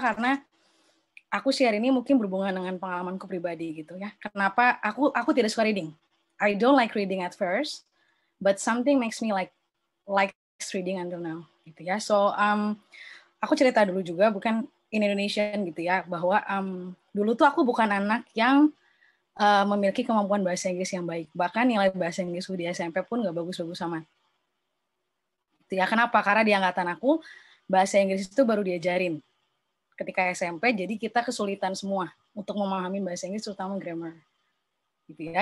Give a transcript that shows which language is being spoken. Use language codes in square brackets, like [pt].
[id] Karena aku share ini mungkin berhubungan dengan pengalamanku pribadi gitu ya. Kenapa aku tidak suka reading? [en] I don't like reading at first, but something makes me like reading until now. [id] Gitu ya. So aku cerita dulu juga bukan [en] in Indonesian [id] gitu ya bahwa dulu tuh aku bukan anak yang memiliki kemampuan bahasa Inggris yang baik, bahkan nilai bahasa Inggris di SMP pun gak bagus-bagus amat. Gitu ya. Kenapa? Karena di angkatan aku bahasa Inggris itu baru diajarin ketika SMP, jadi kita kesulitan semua untuk memahami bahasa Inggris terutama grammar. Gitu ya.